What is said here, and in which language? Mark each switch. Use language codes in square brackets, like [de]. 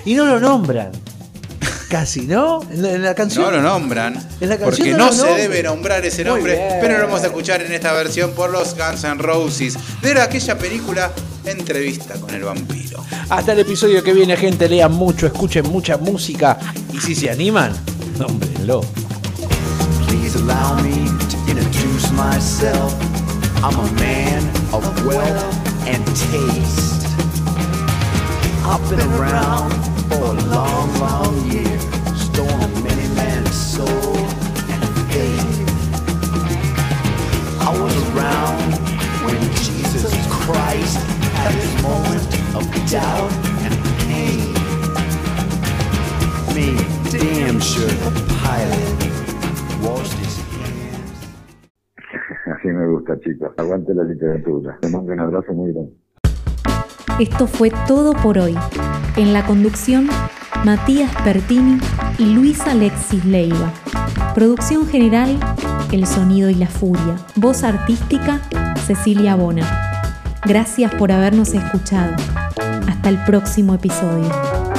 [es] Y no lo nombran. Casi, ¿no? En la canción. No lo nombran. En la canción porque no se debe nombrar ese nombre. Pero lo vamos a escuchar en esta versión por los Guns N' Roses. De aquella película Entrevista con el Vampiro. Hasta el episodio que viene, gente. Lean mucho, escuchen mucha música. Y si se animan, nómbrenlo. [en] Please allow me to introduce myself. I'm a man of wealth and taste. I've been around for a long, long year, stolen many men's soul and faith. I was around when Jesus Christ had his moment of doubt and pain. Made damn sure the pilot washed his hands. [es] Así me gusta, chicos. Aguante la literatura. Te mando un abrazo muy grande. Esto fue todo por hoy. En la conducción, Matías Pertini y Luis Alexis Leiva. Producción general, El Sonido y la Furia. Voz artística, Cecilia Bona. Gracias por habernos escuchado. Hasta el próximo episodio.